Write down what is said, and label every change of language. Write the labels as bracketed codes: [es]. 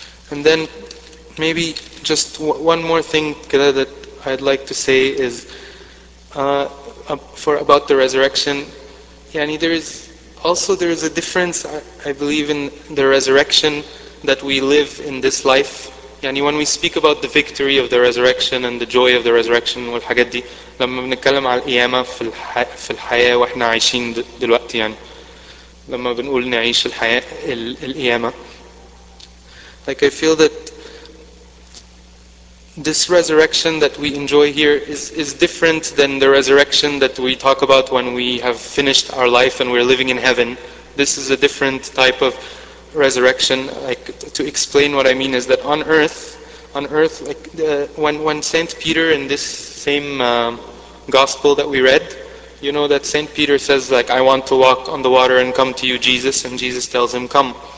[en] And then maybe just one more thing that I'd like to say is about the resurrection. There is a difference, I believe, in the resurrection that we live in this life. When we speak about the victory of the resurrection and the joy of the resurrection, [ar] والحاجات دي, لما بنتكلم على القيامة في الحياة واحنا عايشين دلوقتي لما بنقول نعيش الحياة القيامة. [en] I feel that this resurrection that we enjoy here is different than the resurrection that we talk about when we have finished our life and we're living in heaven. This is a different type of resurrection. Like, to explain what I mean is that on earth, like when Saint Peter in this same gospel that we read, that Saint Peter says like, I want to walk on the water and come to you, Jesus, and Jesus tells him, come.